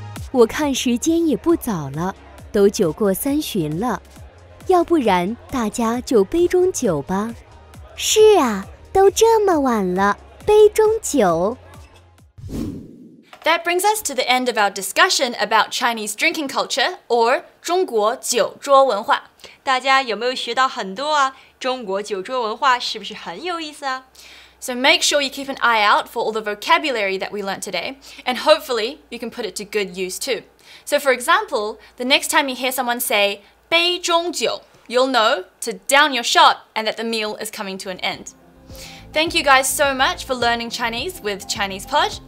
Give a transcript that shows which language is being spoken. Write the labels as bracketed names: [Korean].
[Chinese] 我看时间也不早了，都酒过三巡了，要不然大家就杯中酒吧。是啊，都这么晚了，杯中酒。 [English] That brings us to the end of our discussion about Chinese drinking culture, or [Chinese] 中国酒桌文化。大家有没有学到很多啊？中国酒桌文化是不是很有意思啊？ [English] So make sure you keep an eye out for all the vocabulary that we learned today, and hopefully you can put it to good use too. So for example, the next time you hear someone say, 杯中酒, you'll know to down your shot and that the meal is coming to an end. Thank you guys so much for learning Chinese with ChinesePod.